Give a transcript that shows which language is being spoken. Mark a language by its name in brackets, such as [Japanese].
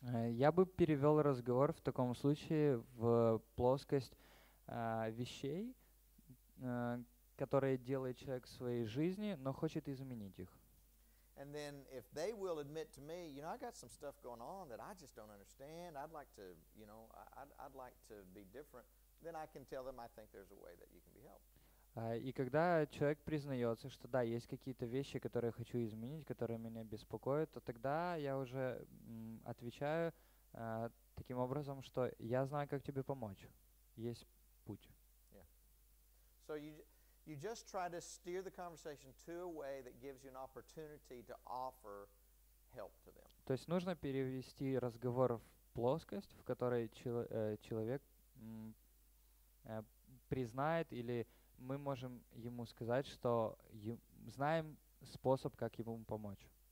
[Russian] Я бы перевел разговор в таком случае в плоскость вещей, которые делает человек в своей жизни, но хочет изменить их. [English] And then if they will admit to me, you know, I got some stuff going on that I just don't understand. I'd like to, you know, I'd like to be different. Then I can tell them I think there's a way that you can be helped. [Russian] И когда человек признается, что да, есть какие-то вещи, которые я хочу изменить, которые меня беспокоят, то тогда я уже отвечаю таким образом, что я знаю, как тебе помочь. Есть путь. [English] Yeah. So you just try to steer the conversation to a way that gives you an opportunity to offer help to them. [Russian] То есть нужно перевести разговор в плоскость, в которой человек признает или мы можем ему сказать, что знаем способ, как ему помочь.